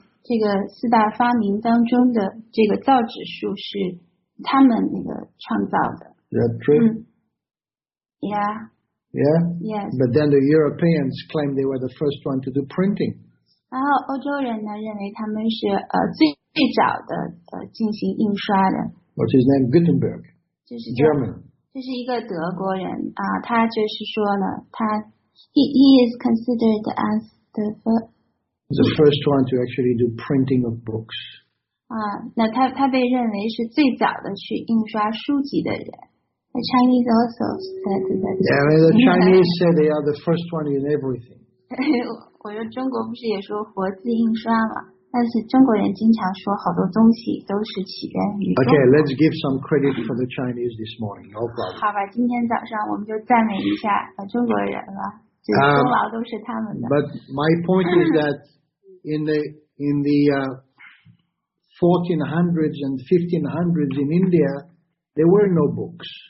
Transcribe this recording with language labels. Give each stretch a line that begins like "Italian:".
Chinese: 这个四大发明当中的这个造纸术是他们那个创造的。
English: That true?、 Yeah. Yeah? Yes. But then the Europeans claim they were the first one to do printing.
Chinese: 然后欧洲人呢认为他们是最早的进行印刷的。
English: What's his name? Gutenberg.
Chinese: 就是
English: German.
Chinese: 这是一个德国人啊，他就是说呢，他
English: he is considered as the first. the first one to actually do printing of books.
Chinese: 啊，那他被认为是最早的去印刷书籍的人。
English: The Chinese also said that. Yeah, I mean, the Chinese said they are the first one in everything.
Chinese: 我说中国不是也说活字印刷吗？但是中国人经常说好多东西都是起源于。
English: Okay, let's give some credit for the Chinese this morning. No problem.
Chinese: 好吧，今天早上我们就赞美一下中国人了。
English: But my point is that in the 1400s and 1500s in India, there were no books.